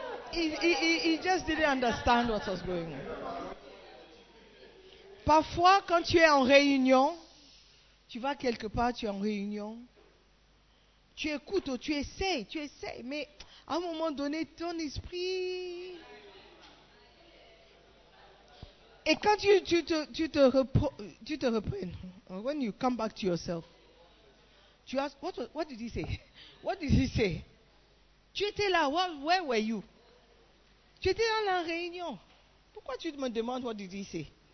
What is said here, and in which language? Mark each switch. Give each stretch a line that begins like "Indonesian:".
English: He just didn't understand what was going on.
French: Parfois, quand tu es en réunion, tu vas quelque part, tu es en réunion, tu écoutes ou tu essaies, mais à un moment donné, ton esprit... Et quand tu te reprends,
English: when you come back to yourself,
French: tu
English: ask, what did he say?
French: Tu étais là,
English: where were you?
French: Tu étais dans la réunion. Pourquoi tu me demandes
English: what did he say?